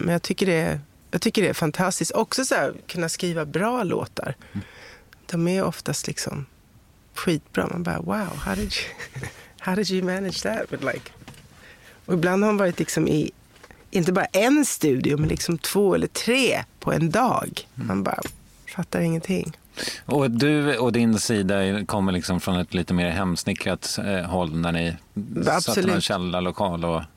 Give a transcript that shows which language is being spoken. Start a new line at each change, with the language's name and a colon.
Swedish: Men jag tycker det är fantastiskt också så här, kunna skriva bra låtar. Mm. De är oftast liksom skitbra.
English: Man bara, wow, how did you manage that? But like,
Swedish: och ibland har hon varit liksom i inte bara en studio, men liksom två eller tre på en dag. Man bara fattar ingenting. Och du och din sida kommer liksom från ett lite mer hemsnickrat håll när ni satt i någon källarlokal och